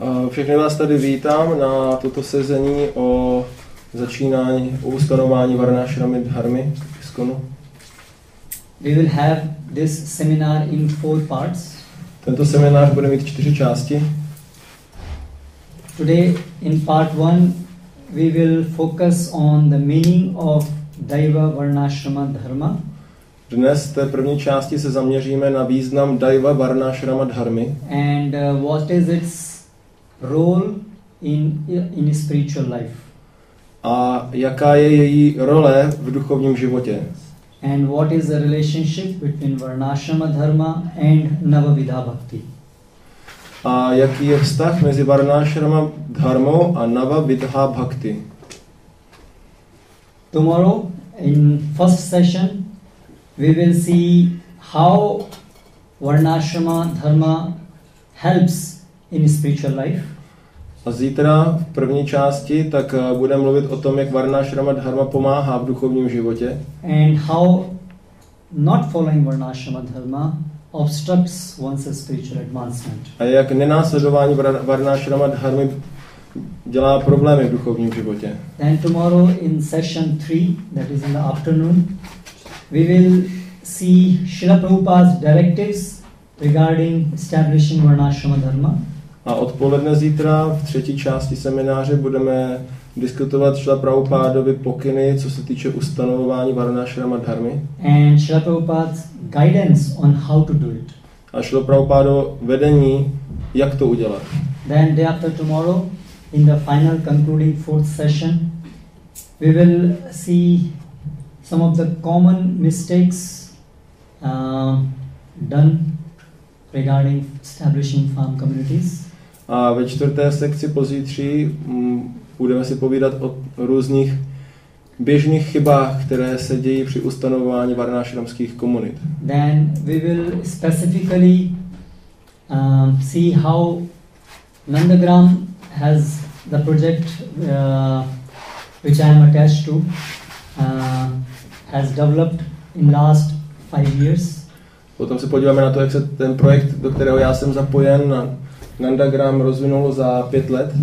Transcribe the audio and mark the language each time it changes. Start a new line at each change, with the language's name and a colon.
Czech: Všechny vás tady vítám na toto sezení o začínání, o ustanovování Varnashrama Dharmy v ISKCONu.
English: We will have this seminar in four parts.
Czech: Tento seminář bude mít čtyři části.
English: Today in part one we will focus on the meaning of Daiva Varnashrama Dharma.
Czech: Dnes v té první části se zaměříme na význam Daiva Varnashrama Dharmy.
English: And what is its role in spiritual life?
Czech: A jaká je její role v duchovním životě?
English: And what is the relationship between Varnashrama Dharma and Navavidha Bhakti?
Czech: A jaký je vztah mezi Varnashrama Dharmou a Navavidha Bhakti?
English: Tomorrow, in first session, we will see how Varnashrama Dharma helps in spiritual life.
Czech: A zítra v první části tak budeme mluvit o tom, jak Varnashrama Dharma pomáhá v duchovním životě.
English: And how not following Varnashrama Dharma obstructs one's spiritual advancement.
Czech: A jak nenásledování Varnashrama Dharmy dělá problémy v duchovním životě.
English: Then tomorrow in session 3, that is in the afternoon, we will see Srila Prabhupada's directives regarding establishing Varnashrama Dharma.
Czech: A odpoledne zítra v třetí části semináře budeme diskutovat Srila Prabhupádovy pokyny, co se týče ustanovování Varnashrama Dharmy.
English: And Srila Prabhupada's guidance on how to do it.
Czech: A Srila Prabhupádovo vedení, jak to udělat.
English: Then day after tomorrow, in the final concluding fourth session, we will see some of the common mistakes done regarding establishing farm communities.
Czech: A ve čtvrté sekci pozítří budeme si povídat o různých běžných chybách, které se dějí při ustanovování varnášramských komunit.
English: Then we will specifically see how Nandagram has the project which I am attached to has developed in last 5 years.
Czech: Potom se podíváme na to, jak se ten projekt, do kterého já jsem zapojen, Nandagram rozvinul za 5 let.